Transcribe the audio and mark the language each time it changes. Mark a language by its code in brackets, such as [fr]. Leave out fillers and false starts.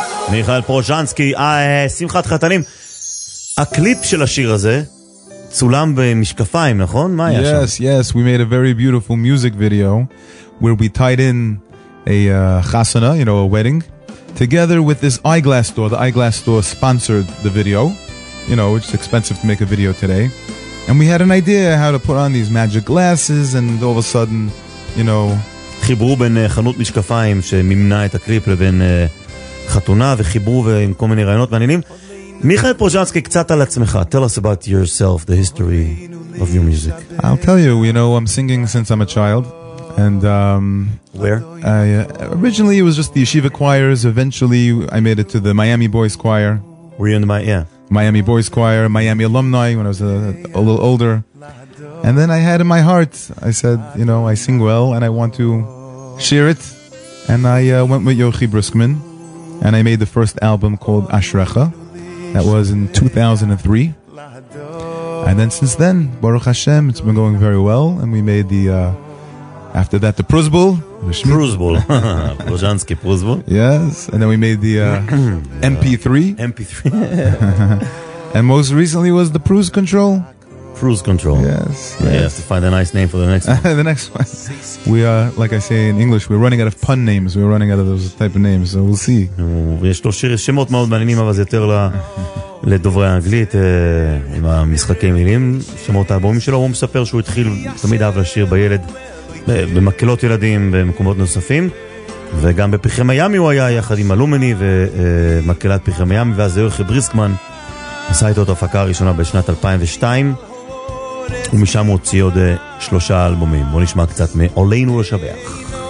[he] מיכאל פרוז'נסקי, שמחת חתנים. הקליפ של השיר הזה צולם במשקפיים, נכון? מה היה שם? [en] Yes, yes, we made a very beautiful music video where we tied in a chasana, you know, a wedding, together with this eyeglass store. The eyeglass store sponsored the video. You know, it's expensive to make a video today. And we had an idea how to put on these magic glasses, and all of a sudden, you know... [he] חיברו בין חנות משקפיים שממנה את הקליפ לבין חתונה, וחיברו עם כל מיני רעיונות מעניינים. מיכאל פרוז'נסקי, קצת על עצמך. [en] Tell us about yourself, the history of your music. I'll tell you, you know, I'm singing since I'm a child. And where? Originally, it was just the yeshiva choirs. Eventually, I made it to the Miami Boys Choir. Were you in the Miami? Yeah. Miami Boys Choir, Miami alumni when I was a little older. And then I had in my heart, I said, you know, I sing well and I want to share it. And I went with Yochi Briskman and I made the first album called Ashrecha. That was in 2003. And then since then, Baruch Hashem, it's been going very well. And we made the, after that, the Pruzbul. Pruzbul. Brozhansky Pruzbul. Yes. And then we made the MP3. MP3. And most recently was the Pruz Control. Pruz Control. Yes. Yeah, you have to find a nice name for the next one. The next one. We are, like I say in English, we're running out of pun names. We're running out of those type of names. So we'll see. [he] יש לו שמות מאוד מעניינים, אבל זה יותר לדוברי האנגלית, עם המשחקי מילים. שמות האלבומים שלו, הוא מספר שהוא התחיל תמיד אהב לשיר בילד. במקלות ילדים במקומות נוספים וגם בפרחי מיימי הוא היה יחד עם אלומני ומקלת פרחי מיימי ואז יורחי בריסקמן עשה איתו את ההפקה הראשונה בשנת 2002 ומשם הוא הוציא עוד שלושה אלבומים בוא נשמע קצת מעולינו לשבח